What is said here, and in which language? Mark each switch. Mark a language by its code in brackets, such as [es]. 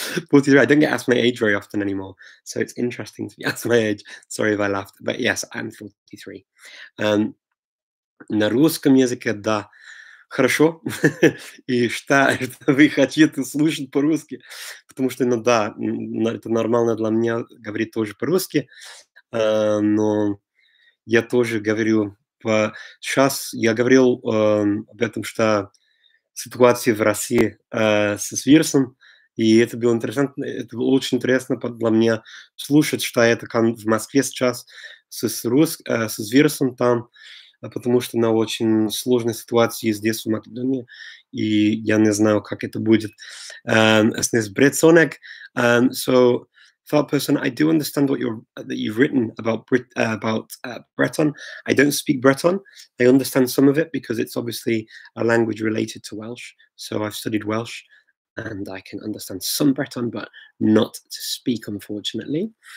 [en] 43. I don't get asked my age very often anymore, so it's interesting to be asked my age. Sorry if I laughed, but yes, I'm 43. [ru] На русском языке, да, хорошо, и что вы хотите слушать по-русски, потому что, ну да, это нормально для меня говорить тоже по-русски, но я тоже говорю, сейчас я говорил об этом, что ситуация в России с вирусом, и это было интересно, это было очень интересно для меня слушать, что это как в Москве сейчас с вирусом там, потому что на очень сложной ситуации здесь, в Македонии, и я не знаю, как это будет. [en] So, thought person, I do understand that you've written about Breton. I don't speak Breton. I understand some of it because it's obviously a language related to Welsh. So I've studied Welsh, and I can understand some Breton, but not to speak, unfortunately.